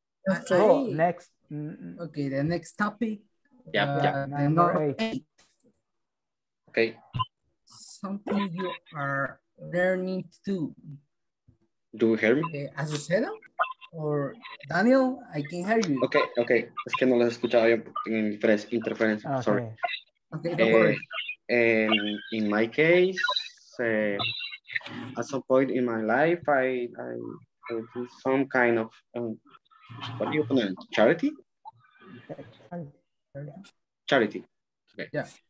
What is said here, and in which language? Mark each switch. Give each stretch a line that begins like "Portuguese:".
English: Okay. So next. Okay, the next topic. Yeah. Number eight. Okay. Something you are learning to do. Do you hear me? Okay, as you said, or Daniel, I can hear you. Okay, okay.
Spanish: Es que no les escuchaba yo en interference.
English: Okay. Sorry. Okay, don't worry. In my case, at some point in my life, I do some kind of what do you call it? Charity? Charity. Okay. Yeah.